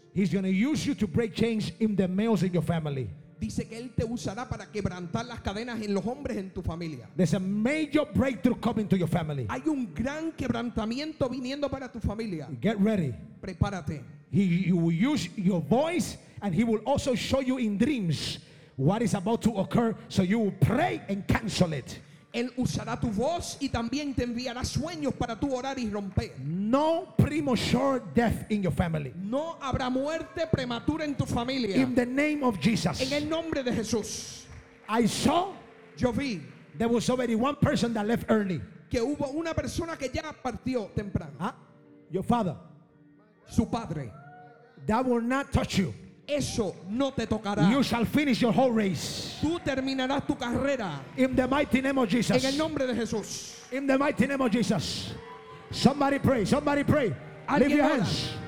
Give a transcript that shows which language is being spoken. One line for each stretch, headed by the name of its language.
English: he's going to use you to break chains in the males in your family.
Spanish: Dice que él te usará para quebrantar las cadenas en los hombres en tu familia.
English: There's a major breakthrough coming to your family.
Spanish: Hay un gran quebrantamiento viniendo para tu familia.
English: Get ready.
Spanish: Prepárate.
English: He will use your voice and he will also show you in dreams what is about to occur, so you will pray and cancel it.
Spanish: Él usará tu voz y también te enviará sueños para tu orar y romper.
English: No premature death in your family.
Spanish: No habrá muerte prematura en tu familia.
English: In the name of Jesus.
Spanish: En el nombre de Jesús.
English: I saw.
Spanish: Yo vi.
English: There was already one person that left early.
Spanish: Que hubo una persona que ya partió temprano.
English: Huh? Your father.
Spanish: Su padre.
English: That will not touch you.
Spanish: Eso no te tocará.
English: You shall finish your whole race.
Spanish: Tú terminarás tu carrera.
English: In the mighty name of Jesus.
Spanish: En el nombre de Jesús.
English: In the mighty name of Jesus. Somebody pray. Somebody pray. Lift your hands.